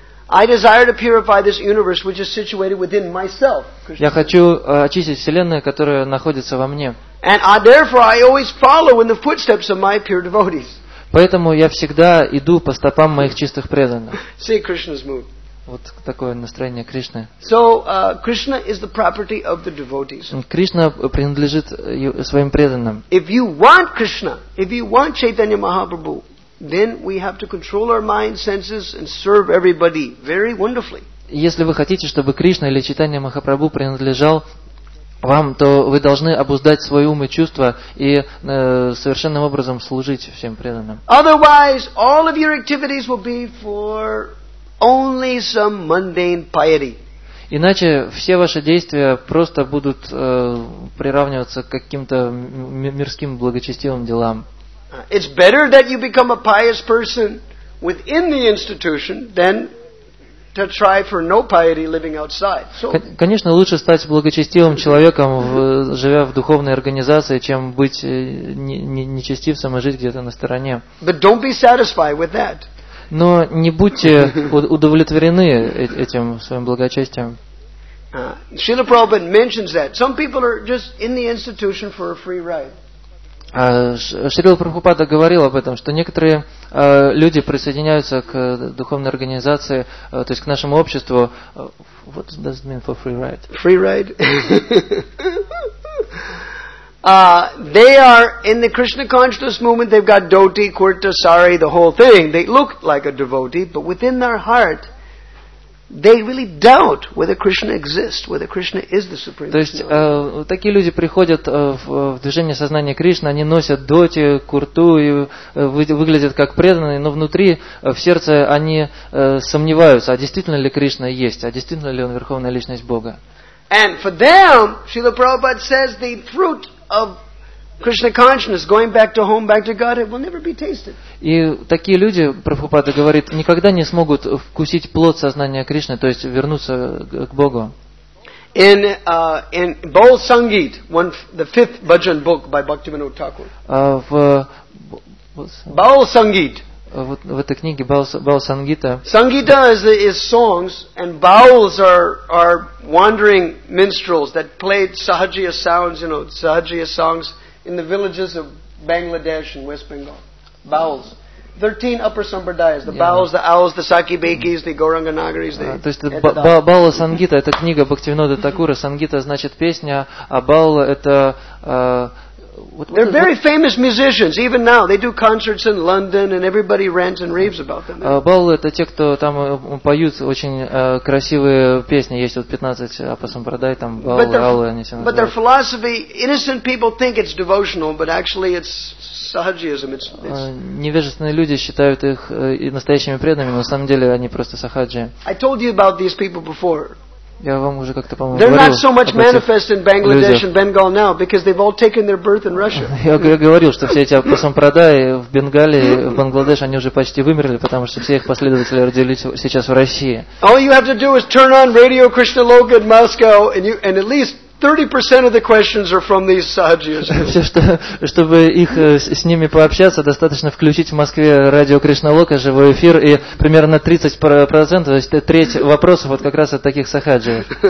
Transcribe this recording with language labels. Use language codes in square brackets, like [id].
[en] I desire to purify this universe which is situated within myself. [ru] Я хочу очистить вселенную, которая находится во мне. [en] And therefore I always follow in the footsteps of my pure devotees. [ru] Поэтому я всегда иду по стопам моих чистых преданных. [en] See Krishna's mood. [ru] Вот такое настроение Кришны. [en] So Krishna is the property of the devotees. [ru] Кришна принадлежит своим преданным. [en] If you want Krishna, if you want Chaitanya Mahaprabhu, then we have to control our mind, senses and serve everybody very wonderfully. [ru] Если вы хотите, чтобы Кришна или Чайтанья Махапрабху принадлежал вам, то вы должны обуздать свой ум и чувства и совершенным образом служить всем преданным. [en] Otherwise, all of your activities will be for only some mundane piety. [ru] Иначе все ваши действия просто будут приравниваться к каким-то мирским благочестивым делам. [en] It's better that you become a pious person within the institution than to try for no piety living outside. So, [ru] конечно, лучше стать благочестивым человеком, живя в духовной организации, чем быть нечестивцем и жить где-то на стороне. [en] But don't be satisfied with that. [ru] Но не будьте удовлетворены этим своим благочестием. [en] Srila Prabhupada mentions that some people are just in the institution for a free ride. [ru] Шрила Прабхупада говорил об этом, что некоторые люди присоединяются к духовной организации, то есть к нашему обществу. [en] What does it mean for free ride? Free ride. They are in the Krishna consciousness movement, they've got dhoti, kurta, sari, the whole thing. They look like a devotee, but within their heart they really doubt whether Krishna exists, whether Krishna is the supreme. [ru] То есть такие люди приходят в движение сознания Кришны, они носят доти, курту и выглядят как преданные, но внутри в сердце они сомневаются, а действительно ли Кришна есть, а действительно ли он верховная личность Бога. [en] And for them, Srila Prabhupada says the fruit of Krishna consciousness going back to home, back to God, it will never be tasted. [ru] И такие люди, Прабхупада говорит, никогда не смогут вкусить плод сознания Кришны, то есть вернуться к Богу. [en] In Bol Sangeet, the fifth bhajan book by Bhaktivinoda Thakur. Bol Sangeet. [ru] В этой книге Бал Сангита. [en] Сангита is songs, and bowls are wandering minstrels that played sahajiya sounds, you know, sahajiya songs. In the villages of Bangladesh and West Bengal. Bowls. 13 upper sampradayas. The bowls, the owls, the sakibekis, the gauranganagaris. [ru] То есть Бала Сангита — это книга Бхактивинода Такура. Сангита значит песня, а Бал это... [en] They're very famous musicians, even now. They do concerts in London and everybody rants and raves about them. [ru] Бал — это те, кто там поют очень красивые песни. Есть вот 15 апа сампрадай, там баллы, они все. [en] But their philosophy, innocent people think it's devotional, but actually it's sahajism. [ru] Невежественные люди считают их настоящими преданными, но на самом деле они просто сахаджи. [en] I told you about these people before. [ru] Я вам уже как-то, по-моему, [en] they're not so much manifest in Bangladesh and Bengal now because they've all taken their birth in Russia. [ru] Я говорил, что все эти апасампрадаи в Бенгале, в Бангладеш, они уже почти вымерли, потому что все их последователи родились сейчас в России. [en] All you have to do is turn on Radio Krishna Loka in Moscow and at least 30% of the questions are from these sadhus. [ru] Все, чтобы их с ними пообщаться, достаточно включить в Москве радио Кришналока, живой эфир, и примерно 30%, то есть треть вопросов вот как раз от таких сахаджи.